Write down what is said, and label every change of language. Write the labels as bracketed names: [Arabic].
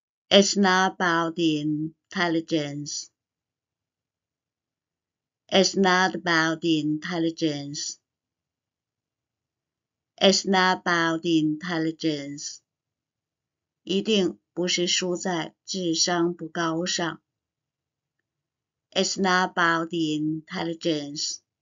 [English] It's not about the intelligence. It's not about the intelligence. It's not about the intelligence. [Chinese] 一定不是输在智商不高上。 [English] It's not about the intelligence.